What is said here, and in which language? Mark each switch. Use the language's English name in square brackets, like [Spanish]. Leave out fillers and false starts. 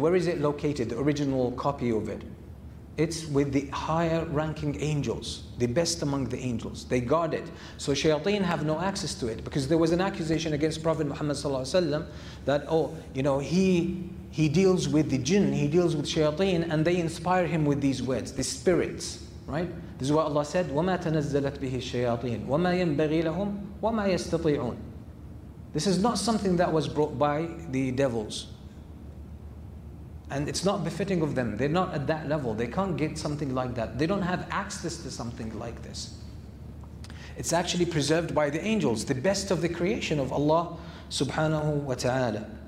[English] Where is it located, the original copy of it? It's with the higher ranking angels, the best among the angels. They guard it. So shayateen have no access to it, because there was an accusation against Prophet Muhammad sallallahu alaihi wasallam that, oh, you know, he deals with the jinn, he deals with shayateen, and they inspire him with these words, the spirits, right? This is what Allah said, [Arabic] وَمَا تَنَزَّلَتْ بِهِ الشَّيَاطِينَ وَمَا يَنْبَغِي لَهُمْ وَمَا يَسْتَطِيعُونَ. [English] This is not something that was brought by the devils. And it's not befitting of them. They're not at that level. They can't get something like that. They don't have access to something like this. It's actually preserved by the angels, the best of the creation of Allah subhanahu wa ta'ala.